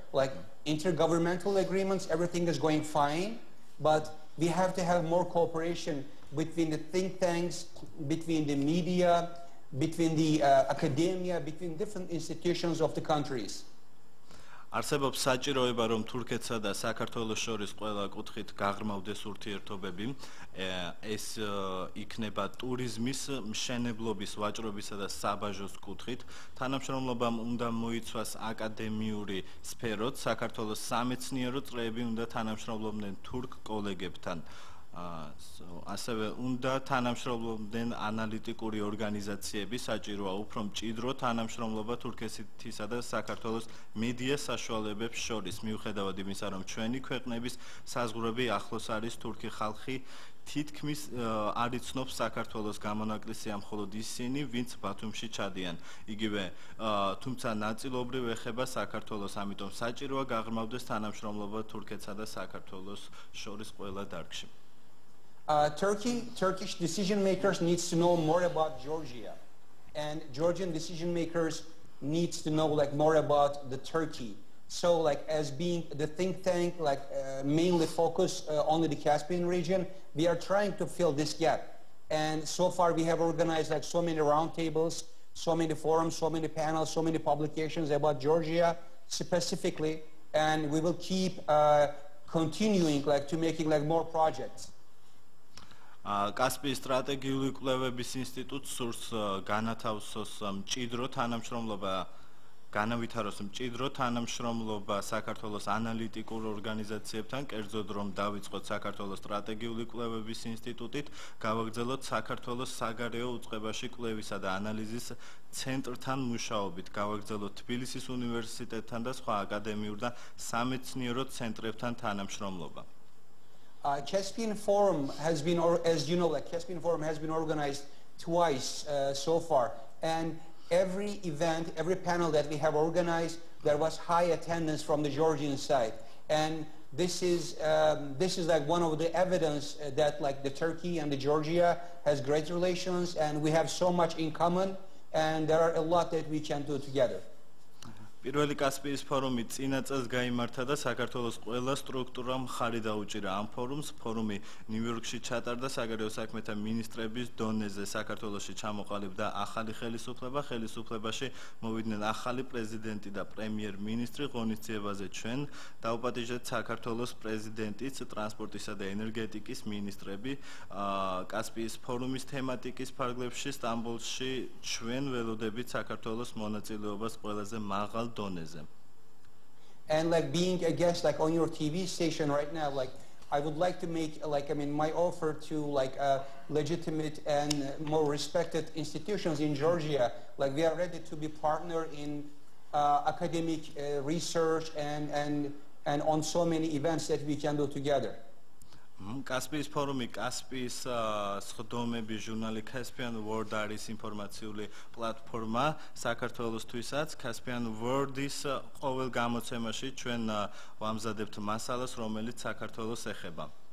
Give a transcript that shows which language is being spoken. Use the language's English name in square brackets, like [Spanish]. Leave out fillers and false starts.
[English] Like intergovernmental agreements, everything is going fine, but we have to have more cooperation between the think tanks, between the media, between the academia, between different institutions of the countries. [Georgian] არსებობს საჭიროება, რომ თურქეთსა და საქართველოს შორის ყველა კუთხით გაღრმავდეს ურთიერთობები. ეს იქნება ტურიზმის, მშენებლობის, ვაჭრობისა და საბაჟოს კუთხით. თანამშრომლობა უნდა მოიცვას აკადემიური სფეროთ. საქართველოს სამეცნიერო წრეები უნდა თანამშრომლობდნენ თურქ კოლეგებთან. ასევე უნდა თანამშრომლობდნენ ანალიტიკური ორგანიზაციები, საჭიროა უფრო მჭიდრო თანამშრომლობა თურქეთისა და საქართველოს მედია საშუალებებს შორის, მიუხედავად იმისა, რომ ჩვენი ქვეყნების საზღვრები ახლოს არის. თურქი ხალხი თითქმის არ იცნობს საქართველოს, გამონაკლისია მხოლოდ ისინი, ვინც ბათუმში ჩადიან. იგივე, თუმცა ნაწილობრივ ეხება საქართველოს, ამიტომ საჭიროა გაღრმავდეს თანამშრომლობა თურქეთსა და საქართველოს შორის ყველა დარგში. [English] Turkish decision makers needs to know more about Georgia, and Georgian decision makers needs to know like more about the Turkey. So like as being the think tank, like mainly focus on the Caspian region, we are trying to fill this gap. And so far we have organized like so many roundtables, so many forums, so many panels, so many publications about Georgia specifically, and we will keep continuing like to making like more projects. [Georgian] Каспий стратегиული კვლევების ინსტიტუტი სურს განათავსოს მჭიდრო თანამშრომლობა, განავითაროს მჭიდრო თანამშრომლობა საქართველოს ანალიტიკურ ორგანიზაციებთან, კერძოდ რომ დაიწყოთ საქართველოს სტრატეგიული კვლევების ინსტიტუტით, გავაგრძელოთ საქართველოს საგარეო უწყებაში კვლევისა და ანალიზის ცენტრთან მუშაობით, გავაგრძელოთ თბილისის უნივერსიტეტთან და სხვა აკადემიურ და სამეცნიერო ცენტრებთან თანამშრომლობა. [English] Caspian Forum has been, as you know, like Caspian Forum has been organized twice so far, and every event, every panel that we have organized, there was high attendance from the Georgian side, and this is like one of the evidence that like the Turkey and the Georgia has great relations, and we have so much in common, and there are a lot that we can do together. [Georgian] პირველი კასპიის ფორუმი წინა წელს გამართა და საქართველოს ყველა სტრუქტურამ ხარი დაუჭირა ამ ფორუმს. ფორუმი ნიუ-იორკში ჩატარდა საგარეო საქმეთა მინისტრების დონეზე. საქართველოსში ჩამოყალიბდა ახალი ხელისუფლება, ხელისუფლებაში მოვიდნენ ახალი პრეზიდენტი და პრემიერ-მინისტრი. ღონისძიებაზე ჩვენ დაუპატიჟეთ საქართველოს პრეზიდენტის, ტრანსპორტისა და ენერგეტიკის მინისტრები. კასპიის ფორუმის თემატიკის ფარგლებში სტამბოლში ჩვენ ველოდებით საქართველოს მონაწილეობას ყველაზე მაღალ. [English] And like being a guest like on your TV station right now, like I would like to make like, I mean, my offer to like legitimate and more respected institutions in Georgia. Like we are ready to be partner in academic research and on so many events that we can do together. [Georgian] კასპიის ფორუმი, კასპიის სხდომები, ჟურნალი Caspian World არის ინფორმაციული პლატფორმა საქართველოსთვისაც. Caspian World-ის ყოველ გამოცემაში ჩვენ ვამზადებთ მასალას, რომელიც საქართველოს ეხება.